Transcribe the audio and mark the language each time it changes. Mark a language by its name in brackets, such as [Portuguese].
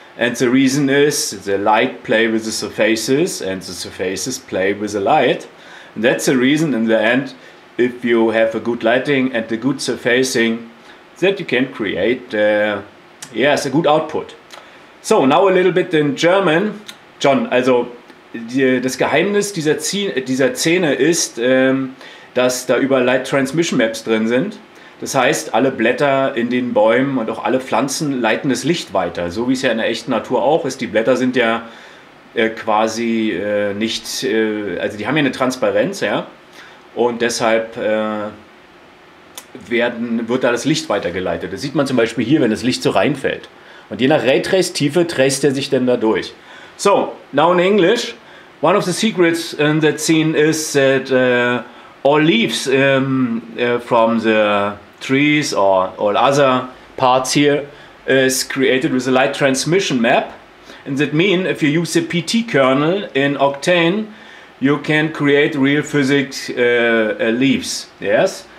[English] And the reason is the light play with the surfaces and the surfaces play with the light. And that's the reason in the end, if you have a good lighting and a good surfacing, that you can create a good output. So now a little bit in German. [German] John, also das Geheimnis dieser Szene ist, dass da überall Light Transmission Maps drin sind. Das heißt, alle Blätter in den Bäumen und auch alle Pflanzen leiten das Licht weiter. So wie es ja in der echten Natur auch ist. Die Blätter sind ja quasi nicht, also die haben ja eine Transparenz, ja. Und deshalb wird da das Licht weitergeleitet. Das sieht man zum Beispiel hier, wenn das Licht so reinfällt. Und je nach Raytrace-Tiefe trace er sich dann da durch. [English] So, now in English, one of the secrets in that scene is that all leaves from the trees or all other parts here is created with a light transmission map. And that means if you use the PT kernel in Octane, you can create real physics leaves, yes?